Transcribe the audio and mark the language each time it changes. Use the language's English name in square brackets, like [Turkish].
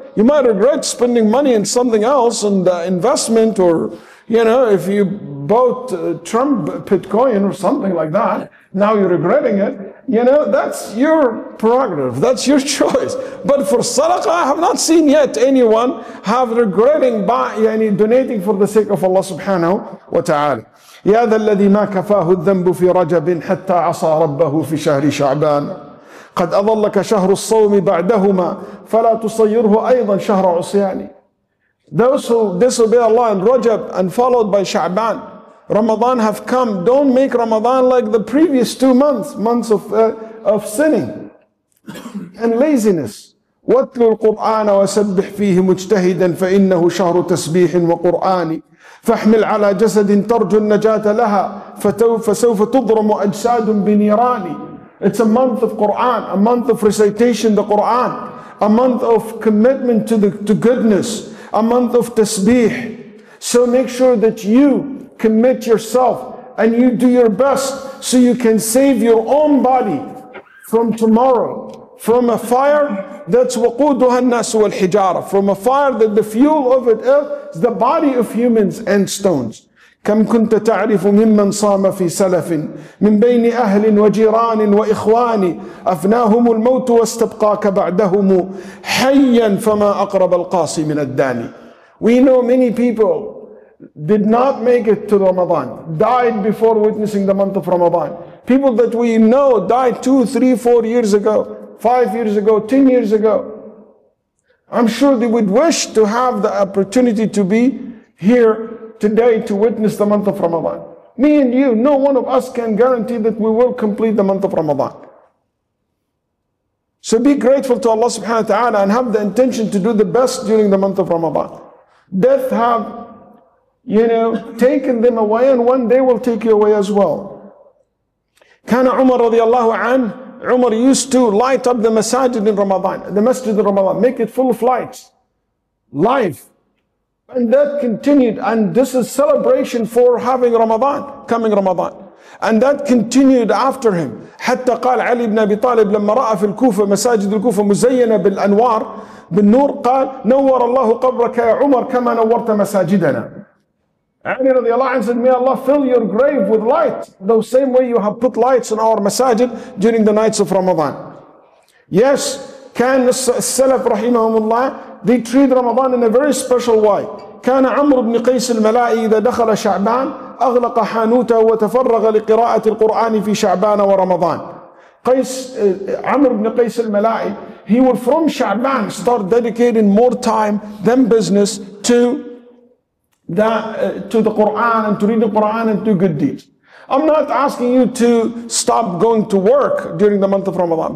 [English] You might regret spending money in something else, in the investment, or, you know, if you bought Trump Bitcoin or something like that, now you're regretting it. You know, that's your prerogative, that's your choice. But for sadaqah, I have not seen yet anyone have regretting by donating for the sake of Allah subhanahu wa ta'ala. [Arabic] يا ذا الذي ما كفاه الذنب في رجب حتى عصى ربه في شهر شعبان قد أظلك شهر الصوم بعدهما فلا تصيره أيضا شهر عصياني. [English] Those who disobey Allah in Rajab and followed by Sha'ban, Ramadan have come. Don't make Ramadan like the previous 2 months, months of sinning and laziness. [Arabic] وَاتْلُوا الْقُرْآنَ وَسَبِّحْ فِيهِ مُجْتَهِدًا فَإِنَّهُ شَهْرُ تَسْبِيحٍ وَقُرْآنِ فَاحْمِلْ عَلَى جَسَدٍ تَرْجُ النَّجَاةَ لَهَا فَسَوْفَ تُضْرَمُ أَجْسَادٌ بِنِيرَانِ. [English] It's a month of Qur'an, a month of recitation, the Qur'an, a month of commitment to goodness, a month of tasbih. So make sure that you commit yourself and you do your best so you can save your own body from tomorrow, from a fire that's [Arabic] وَقُودُهَا النَّاسُ وَالْحِجَارَةُ, [English] from a fire that the fuel of it is the body of humans and stones. [Arabic] كم كنت تعرف ممن صام في سلف من بين أهل وجيران وإخوان أفناهم الموت واستبقاك بعدهم حيا فما أقرب القاصي من الداني. [English] We know many people did not make it to Ramadan, died before witnessing the month of Ramadan. People that we know died 2, 3, 4 years ago, 5 years ago, 10 years ago. I'm sure they would wish to have the opportunity to be here today to witness the month of Ramadan. Me and you, no one of us can guarantee that we will complete the month of Ramadan. So be grateful to Allah subhanahu wa ta'ala and have the intention to do the best during the month of Ramadan. Death have, you know, taken them away, and one day will take you away as well. [Arabic] كان عمر رضي الله عنه, [English] Umar used to light up the masajid in Ramadan, the masjid in Ramadan, make it full of lights, live. And that continued, and this is celebration for having Ramadan, coming Ramadan. And that continued after him. [Arabic] حتى قال علي بن أبي طالب لما رأى في الكوفة مساجد الكوفة مزينة بالأنوار بالنور قال نور الله قبرك يا عمر كما نورت مساجدنا. علي رضي الله عنه [English] said, may Allah fill your grave with light, the same way you have put lights in our masajid during the nights of Ramadan. Yes, [Arabic] كان السلف رحمهم الله, [English] they treat Ramadan in a very special way. [Arabic] كان عمرو بن قيس الملائي إذا دخل شعبان أغلق حانوته وتفرغ لقراءة القرآن في شعبان ورمضان. [English] قيس عمرو بن قيس الملائي, he would from شعبان start dedicating more time than business to the Quran and to read the Quran and to good deeds. I'm not asking you to stop going to work during the month of Ramadan.